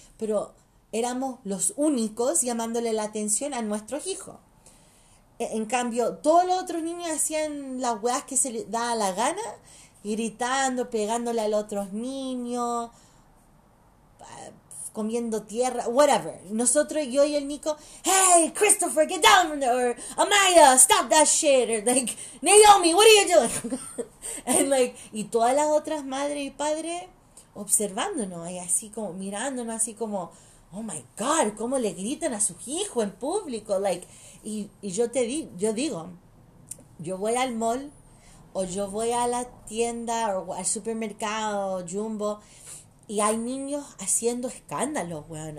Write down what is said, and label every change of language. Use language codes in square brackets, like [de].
[es] Pero éramos los únicos llamándole la atención a nuestros hijos. En cambio, todos los otros niños hacían las weas que se les daba la gana, gritando, pegándole a los otros niños, comiendo tierra, [en] whatever. [es] Nosotros, yo y el Nico, [en] hey, Christopher, get down from there, or Amaya, stop that shit, or like, Naomi, what are you doing? And like, [es] y todas las otras madres y padres observándonos, y así como mirándonos, así como, [en] oh my God, [es] cómo le gritan a su hijo en público, [en] like, [es] yo digo, yo voy al mall, o yo voy a la tienda, o al supermercado, Jumbo, y hay niños haciendo escándalos, weón.